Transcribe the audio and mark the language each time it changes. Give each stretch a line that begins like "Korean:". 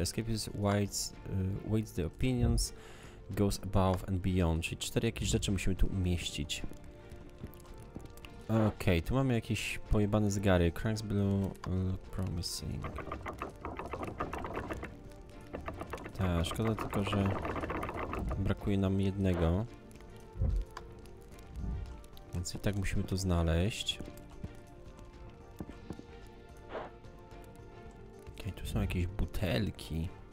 English: Escapist weighs the opinions, goes above and beyond.
Polish: Czyli cztery jakieś rzeczy musimy tu umieścić. Okej, okay, tu mamy jakieś pojebane zegary.
English: Cranks below look promising.
Polish: Tak, szkoda tylko, że brakuje nam jednego. Więc i tak musimy to znaleźć. Tu są jakieś butelki.